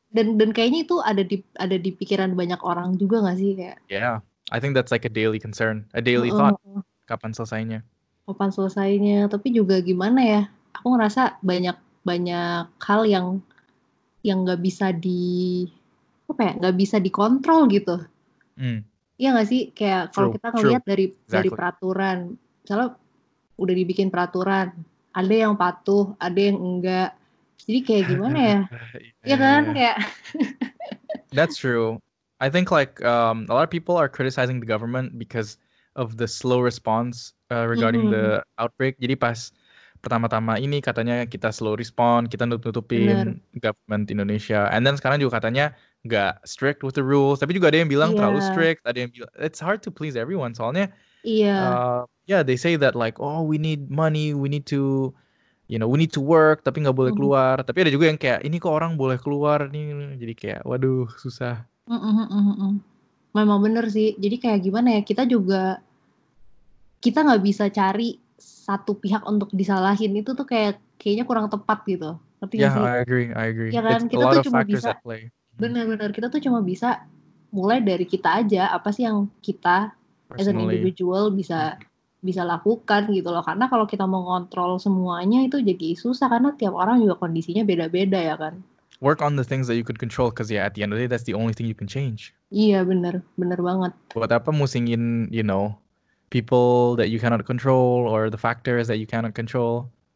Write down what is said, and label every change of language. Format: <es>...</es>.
<id>Dan kayaknya itu ada di pikiran banyak orang juga nggak sih kayak?</id> <en>Yeah, I think that's like a daily concern, a daily thought.</en> <id>Kapan selesainya? Tapi juga gimana ya? Aku ngerasa banyak hal yang nggak bisa di apa ya, nggak bisa dikontrol gitu. Iya nggak sih, kayak kalau kita ngeliat dari peraturan, misalnya udah dibikin peraturan, ada yang patuh, ada yang enggak. Jadi kayak gimana ya? Iya kan kayak.</id> <en>That's true. I think like a lot of people are criticizing the government because of the slow response regarding the outbreak.</en> <id>Jadi pas pertama-tama ini katanya kita</id> <en>slow respond,</en> <id>kita nutup-nutupin government Indonesia.</id> <en>And then</en> <id>sekarang juga katanya gak</id> <en>strict with the rules.</en> <id>Tapi juga ada yang bilang terlalu strict. Ada yang bilang,</id> <en>it's hard to please everyone soalnya. They say that like, oh we need money, we need to, you know, we need to work,</en> <id>tapi gak boleh keluar. Tapi ada juga yang kayak, ini kok orang boleh keluar nih. Jadi kayak, waduh, susah. Memang bener sih. Jadi kayak gimana ya, kita gak bisa cari satu pihak untuk disalahin, itu tuh kayaknya kurang tepat gitu.</id> <en>I agree.</en> <id>Ya kan? Kita tuh cuma bisa, benar-benar kita tuh cuma bisa mulai dari kita aja, apa sih yang kita</id> <en>as an individual</en> <id>bisa bisa lakukan gitu loh. Karena kalau kita mengontrol semuanya itu jadi susah, karena tiap orang juga kondisinya beda-beda ya kan.</id> <en>Work on the things that you could control, because yeah, at the end of the day, that's the only thing you can change.</en> <id>Iya, benar, benar banget. Buat apa musingin,</id> <en>you know, people that you cannot control or the factors that you cannot control?</en>